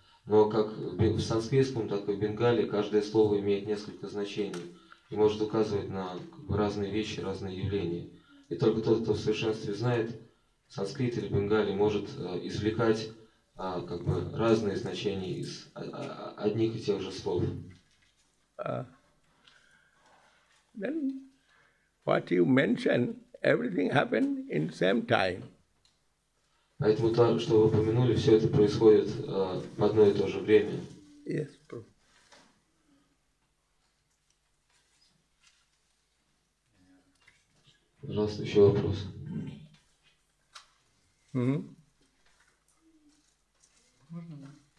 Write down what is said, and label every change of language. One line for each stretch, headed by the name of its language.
Russian: Но как в санскритском, так и в Бенгале каждое слово имеет несколько значений и может указывать на разные вещи, разные явления. И только тот, кто в совершенстве знает санскрит или Бенгали, может извлекать как бы разные значения из одних и тех же слов.
English: Then what you mention, everything happened in same time.
Russian: Поэтому то, что вы упомянули, все это происходит в одно и то же время.
English: Yes.
Russian: Пожалуйста, еще вопрос. Можно, да?